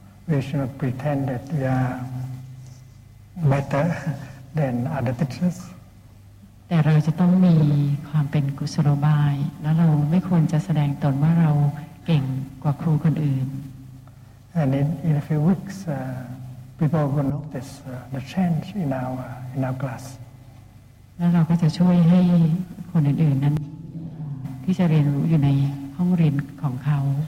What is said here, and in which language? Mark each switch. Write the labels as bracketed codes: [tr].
[en] We should not pretend that we are better than other teachers. [th] แต่เราจะต้องมีความเป็นกุศโลบายแล้วเราไม่ควรจะแสดงตนว่าเราเก่งกว่าครูคนอื่น [en] And in a few weeks people will notice the change in our class [th] แล้วเราก็จะช่วยให้คนอื่นๆนั้นที่จะเรียนรู้อยู่ในห้องเรียนของเขา